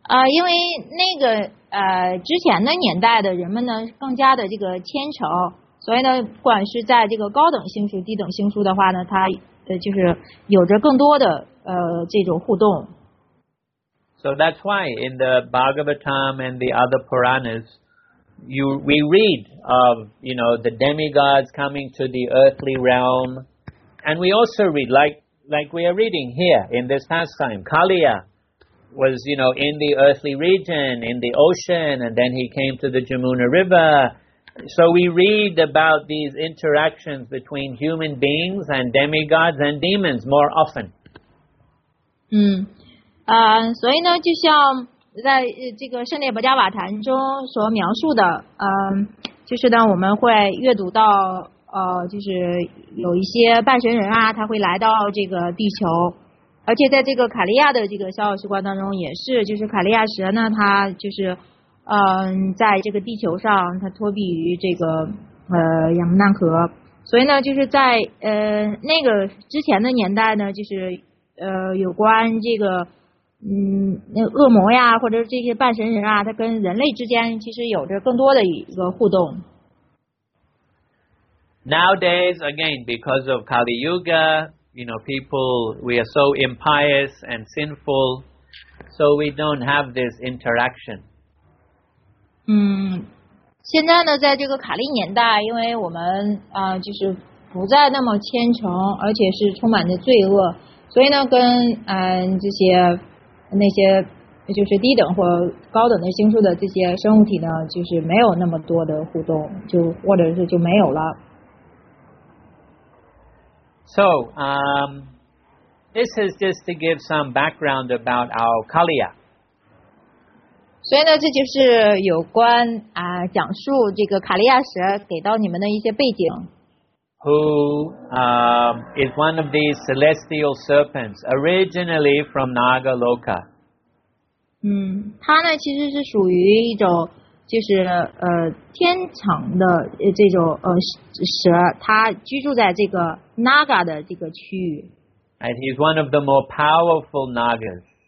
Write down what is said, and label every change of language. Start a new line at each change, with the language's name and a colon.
Chinese: 因为那个之前的年代的人们呢，更加的这个虔诚。所以呢，不管是在这个高等星宿、低等星宿的话呢，它就是有着更多的这种互动。
English: So that's why in the Bhagavatam and the other Puranas, we read of you know the demigods coming to the earthly realm, and we also read like we are reading here in this pastime. Kaliya was you know in the earthly region, in the ocean, and then he came to the Jamuna River. So we read about these interactions between human beings and demigods and demons more often.
Chinese: 所以呢，就像在这个圣涅伯加瓦坛中所描述的，就是呢，我们会阅读到，就是有一些半神人啊，他会来到这个地球，而且在这个卡利亚的这个小奥斯观当中也是，就是卡利亚蛇呢，它就是。在这个地球上，它托庇于这个亚穆纳河，所以呢，就是在那个之前的年代呢，就是有关这个那恶魔呀，或者这些半神人啊，它跟人类之间其实有着更多的一个互动。
English: Nowadays, again, because of Kali Yuga, you know, people we are so impious and sinful, so we don't have this interaction.
Chinese: 现在呢，在这个卡利年代，因为我们就是不再那么虔诚，而且是充满着罪恶，所以呢，跟这些那些就是低等或高等的星宿的这些生物体呢，就是没有那么多的互动，就或者是就没有了。
English: So, this is just to give some background about our Kaliya.
Chinese: 所以呢，这就是有关讲述这个卡利亚蛇给到你们的一些背景。
English: Who is one of these celestial serpents originally from Naga Loka？
Chinese: 它呢其实是属于一种就是天长的这种蛇，它居住在这个 Naga 的这个区域。
English: And he's one of the more powerful Nagas.